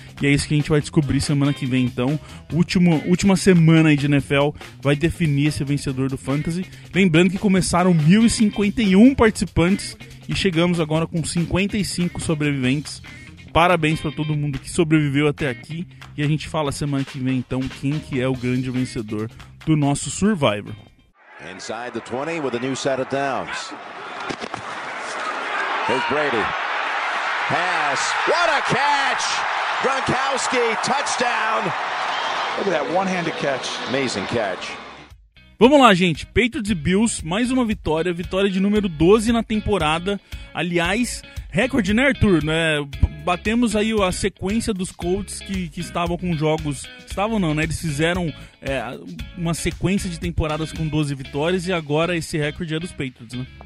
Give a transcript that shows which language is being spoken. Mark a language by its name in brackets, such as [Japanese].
[Portuguese] E é isso que a gente vai descobrir semana que vem, então. Última semana aí de NFL vai definir esse vencedor do Fantasy. Lembrando que começaram 1.051 participantes e chegamos agora com 55 sobreviventes. Parabéns para todo mundo que sobreviveu até aqui. E a gente fala semana que vem, então, quem que é o grande vencedor do nosso Survivor. [English] Inside the 20 with a new set of downs. Here's Brady. Pass. What a catch! Gronkowski, touchdown! Look at that one-handed catch. Amazing catch. [Portuguese] Vamos lá, gente. Patriots e Bills, mais uma vitória. Vitória de número 12 na temporada. Aliás, recorde, né, Arthur? Batemos aí a sequência dos Colts que estavam com jogos... Estavam não, né? Eles fizeram uma sequência de temporadas com 12 vitórias e agora esse recorde é dos Patriots, né?